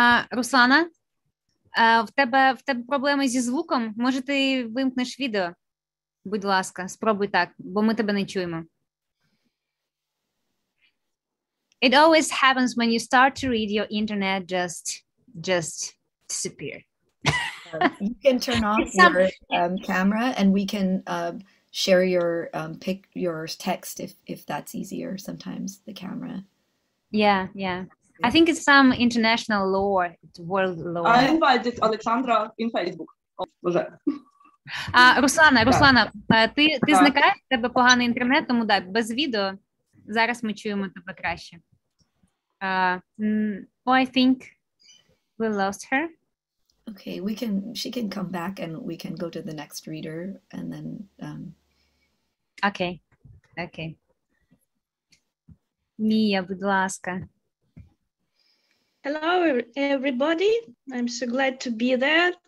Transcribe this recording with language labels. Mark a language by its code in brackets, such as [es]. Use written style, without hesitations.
[uk] Руслана, в тебе проблеми зі звуком? Може, ти вимкнеш відео? Будь ласка, спробуй так, бо ми тебе не чуємо. [en] It always happens when you start to read, your internet just disappear. You can turn off your camera and we can share your pick your text if that's easier sometimes, the camera. Yeah. I think it's some international law, world law. I invited Alexandra in Facebook. [uk] Руслана, ти зникаєш, в тебе поганий інтернет, тому так, без відео зараз ми чуємо тебе краще. [en] I think we lost her. Okay, she can come back and we can go to the next reader and then Okay. [uk] Mia, будь ласка. [en] Hello everybody. I'm so glad to be there.